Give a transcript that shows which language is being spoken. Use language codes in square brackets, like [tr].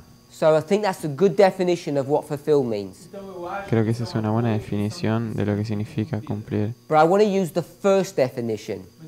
[en] So I think that's a good definition of what fulfill means. [es] Creo que esa es una buena definición de lo que significa cumplir. [en] But I want to use the first definition.